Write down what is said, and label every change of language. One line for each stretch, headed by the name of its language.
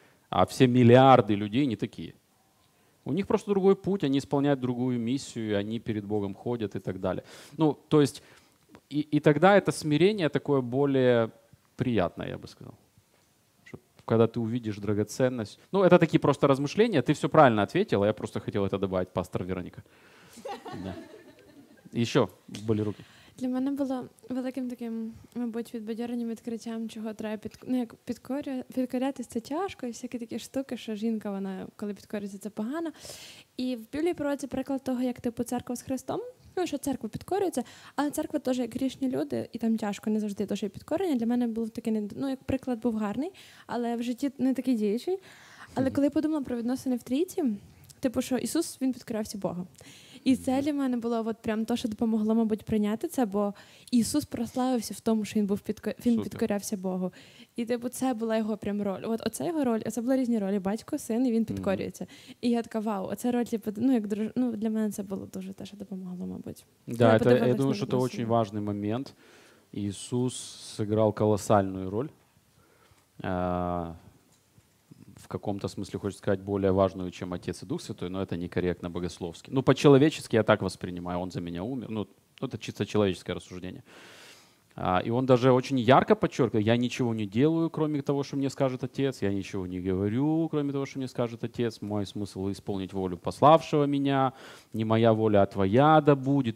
Russian: А все миллиарды людей не такие. У них просто другой путь, они исполняют другую миссию, они перед Богом ходят и так далее. Ну, то есть, и тогда это смирение такое более приятное, я бы сказал. Когда ты увидишь драгоценность. Ну, это такие просто размышления, ты все правильно ответила, я просто хотел это добавить, пастор Вероника. Да. Еще были руки.
Ukrainian: Для мене було великим таким, мабуть, підбадьоренням, відкриттям, чого треба підкорятися, це тяжко, і всякі такі штуки, що жінка, вона, коли підкорюється, це погано. І в Біблії проводиться приклад того, як типу церква з Христом, ну, що церква підкорюється, але церква теж як грішні люди, і там тяжко, не завжди теж є підкорення. Для мене був такий, ну, як приклад був гарний, але в житті не такий діючий. Але коли я подумала про відносини в Трійці, типу, що Ісус, він підкорявся Богу. І це для мене було от прям то, що допомогло, мабуть, прийняти це, бо Ісус прославився в тому, що він підкорявся Богу. І типу, це була його прям роль. От оце його роль, це були різні ролі: батько, син, і він підкорюється. Mm-hmm. І я така, вау, оце роль, ну, як дружина, ну, для мене це було дуже те, що допомогло, мабуть.
Russian: Да,
Ukrainian: я думаю, що це дуже важливий момент. Ісус зіграв колосальну роль.
Russian: В каком-то смысле, хочется сказать, более важную, чем Отец и Дух Святой, но это некорректно богословски. Ну, по-человечески я так воспринимаю, он за меня умер. Ну, это чисто человеческое рассуждение. И он даже очень ярко подчеркивает: я ничего не делаю, кроме того, что мне скажет Отец, я ничего не говорю, кроме того, что мне скажет Отец, мой смысл — исполнить волю пославшего меня, не моя воля, а твоя да будет.